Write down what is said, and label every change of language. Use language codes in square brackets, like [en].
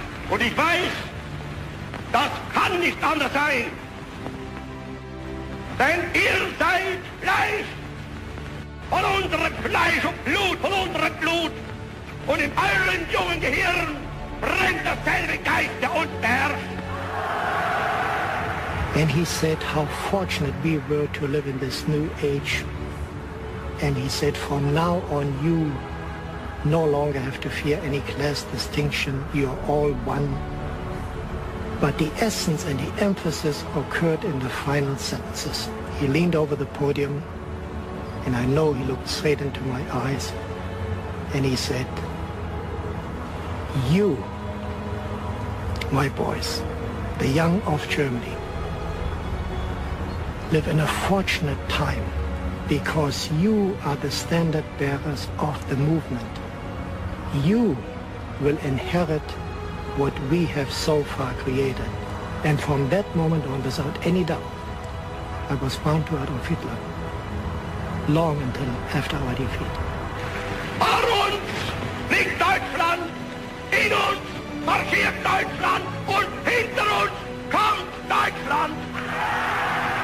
[de] Und ich weiß, das kann nicht anders sein. Denn ihr seid Fleisch von unserem Fleisch und Blut, von unserem Blut. Und in euren jungen Gehirn brennt derselbe Geist, der uns beherrscht. [en] And he said how fortunate we were to live in this new age. And he said, from now on, you no longer have to fear any class distinction. You're all one. But the essence and the emphasis occurred in the final sentences. He leaned over the podium, and I know he looked straight into my eyes, and he said, you, my boys, the young of Germany, live in a fortunate time. Because you are the standard bearers of the movement. You will inherit what we have so far created. And from that moment on, without any doubt, I was bound to Adolf Hitler, long until after our defeat. [de] Vor uns liegt Deutschland, in uns marschiert Deutschland, und hinter uns kommt Deutschland!